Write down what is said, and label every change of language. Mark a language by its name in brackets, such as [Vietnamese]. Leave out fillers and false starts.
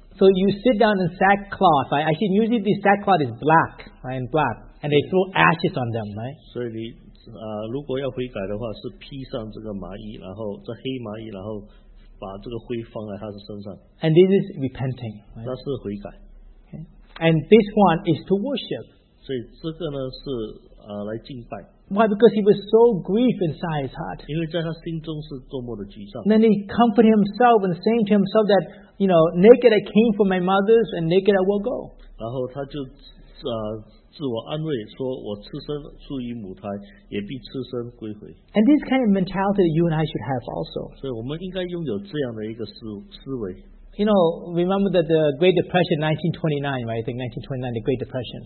[English] So you sit down in sackcloth. I think usually the sackcloth is black, right? And black, and they throw ashes on them, right? [Chinese] 所以你如果要悔改的话，是披上这个麻衣，然后这黑麻衣，然后把这个灰放在他的身上。 [English] And this is repenting. [Chinese] 那是悔改。 [English] And this one is to worship. [Chinese] 所以这个呢是。来敬拜。 [English] Why? Because he was so grieved inside his heart. [Chinese] 因为在他心中是多么的沮丧。 [English] Then he comforted himself and saying to himself that, you know, naked I came from my mother's and naked I will go. [Chinese] 然后他就自我安慰说，我赤身出于母胎，也必赤身归回。 [English] And this kind of mentality you and I should have also. [Chinese] 所以我们应该拥有这样的一个思维。 [English] You know, remember that the Great Depression, 1929, right? I think 1929, the Great Depression.